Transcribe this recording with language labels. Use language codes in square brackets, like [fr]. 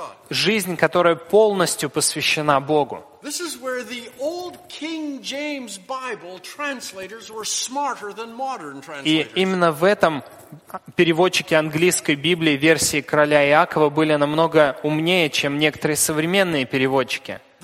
[ru] Жизнь, которая полностью посвящена Богу. [en] This is where the old King James Bible translators were smarter than modern translators. [ru] И именно в этом переводчики английской Библии версии короля Иакова были намного умнее, чем некоторые современные переводчики.